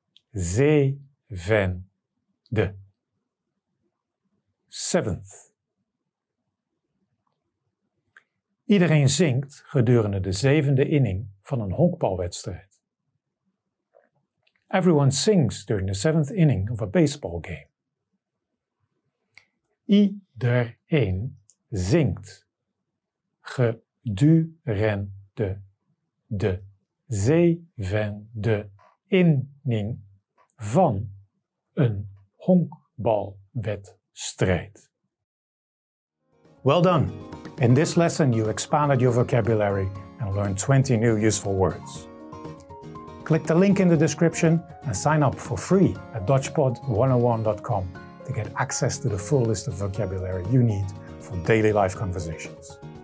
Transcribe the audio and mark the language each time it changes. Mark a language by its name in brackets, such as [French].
[Dutch] Zevende. [English] Seventh. [Dutch] Iedereen zingt gedurende de zevende inning van een honkbalwedstrijd. [English] Everyone sings during the seventh inning of a baseball game. [Dutch] Iedereen zingt gedurende de zevende inning van een honkbalwedstrijd. [English] Well done! In this lesson, you expanded your vocabulary and learned 20 new useful words. Click the link in the description and sign up for free at DutchPod101.com to get access to the full list of vocabulary you need for daily life conversations.